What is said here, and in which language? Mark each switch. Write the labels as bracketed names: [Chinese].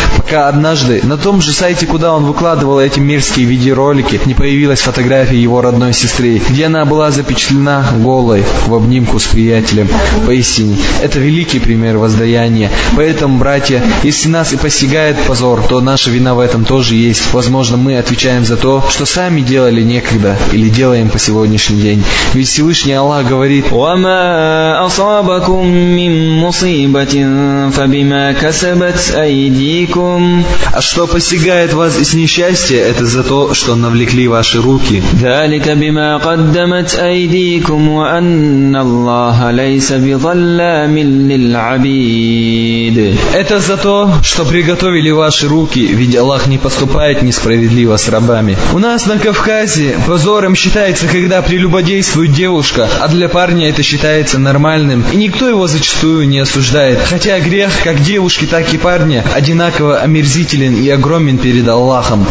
[Russian] Пока однажды на том же сайте, куда он выкладывал эти мерзкие видеоролики, не появилась фотография его родной сестры, где она была запечатлена голой в обнимку с приятелем. Поистине, это великий пример воздаяния. Поэтому, братья, если нас и постигает позор, то наша вина в этом тоже есть. Возможно, мы отвечаем за то, что сами делали некогда или делаем по сегодняшний день. Ведь Всевышний Аллах говорит: [Arabic] أصابكم من مصيبة فبما كسبت أيديكم. [Russian] А что постигает вас из несчастья, это за то, что навлекли ваши руки. [Arabic] ذلك بما قدمت أيديكم وأن الله ليس بظلام للعبيد. [Russian] Это за то, что приготовили ваши руки, ведь Аллах не поступает несправедливо с рабами. У нас на Кавказе позором считается, когда прелюбодействует девушка, а для парня это считается нормальным. праведным, и никто его зачастую не осуждает. Хотя грех, как девушки, так и парня, одинаково омерзителен и огромен перед Аллахом.